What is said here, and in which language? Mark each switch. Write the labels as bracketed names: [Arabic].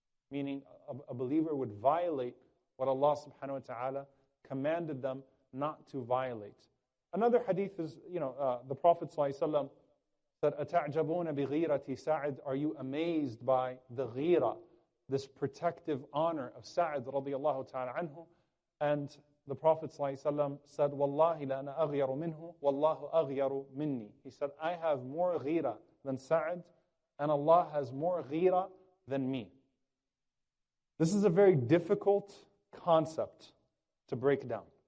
[English] Meaning a believer would violate what Allah subhanahu wa ta'ala commanded them not to violate. Another hadith is, you know, the Prophet said, [Arabic] أَتَعْجَبُونَ بِغِيرَةِ سَعِدْ. [English] Are you amazed by the ghira, this protective honor of Sa'd radiallahu ta'ala anhu? And the Prophet ﷺ said, [Arabic] وَاللَّهِ لَأَنَا أَغْيَرُ مِنْهُ وَاللَّهُ أَغْيَرُ مِنِّي. [English] He said, I have more ghira than Sa'd, and Allah has more ghira than me. This is a very difficult concept to break down.